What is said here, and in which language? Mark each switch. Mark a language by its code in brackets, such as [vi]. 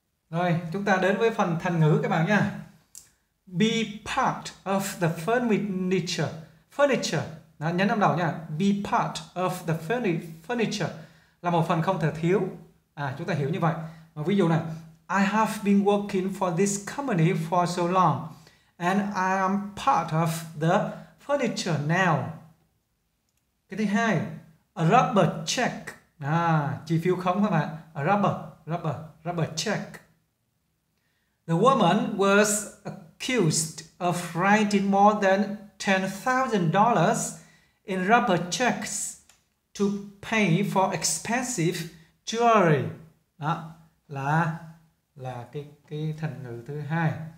[vi] Rồi, chúng ta đến với phần thành ngữ các bạn nha. [en] Be part of the furniture. Furniture. Đó, nhấn âm đầu nha. Be part of the furniture. [vi] Là một phần không thể thiếu. À, chúng ta hiểu như vậy. Và ví dụ này. [en] I have been working for this company for so long. And I am part of the furniture now. [vi] Cái thứ hai. A rubber check. À, chi phiếu khống các bạn. [en] A rubber. Rubber. Rubber check. The woman was accused of writing more than $10,000 in rubber checks to pay for expensive jewelry. [vi] Đó là cái thành ngữ thứ hai.